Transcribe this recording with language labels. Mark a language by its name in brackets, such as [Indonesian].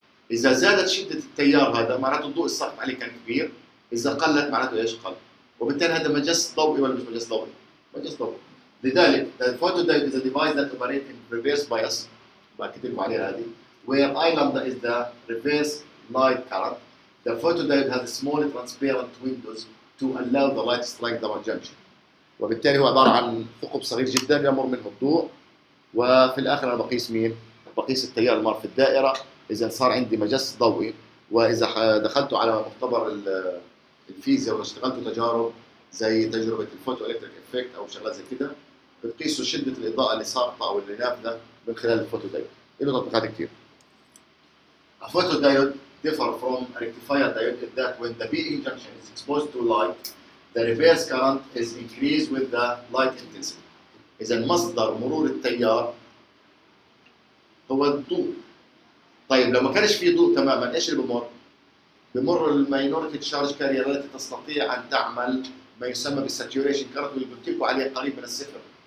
[Arabic] اذا زادت شده التيار هذا معناته الضوء الساقط عليه كان كبير، اذا قلت معناته ايش؟ قل. وبالتالي هذا مجس ضوئي ولا مش مجس ضوئي؟ مجس ضوئي. لذلك الفوتو دايود [English] is device that operate in reverse bias [Arabic] بكتب عليها هذه [English] where I lambda is the reverse light current. The photodiode has small transparent windows to allow the light strike the junction. [Arabic] وبالتالي هو عبارة عن ثقب صغير جدا يمر منه الضوء وفي الاخر انا بقيس مين؟ بقيس التيار المار في الدائره. اذا صار عندي مجس ضوئي واذا دخلته على مختبر الفيزياء واشتغلت تجارب زي تجربه الفوتو الكتريك افكت او شغله زي كده بتقيسوا شده الاضاءه اللي ساقطه او اللي نافذه من خلال الفوتو دايود. له تطبيقات كثير. [English] الفوتو diode differ from rectifier diode that when the P-N junction is exposed to light the reverse current is increased with the light intensity. [Arabic] إذا مصدر مرور التيار هو الضوء. طيب لو ما كانش في ضوء تماما ايش اللي بمر؟ بمر المينورتي تشارج كارير التي تستطيع ان تعمل ما يسمى بالساتوريشن كارنت اللي قلت لكم عليه قريب من الصفر.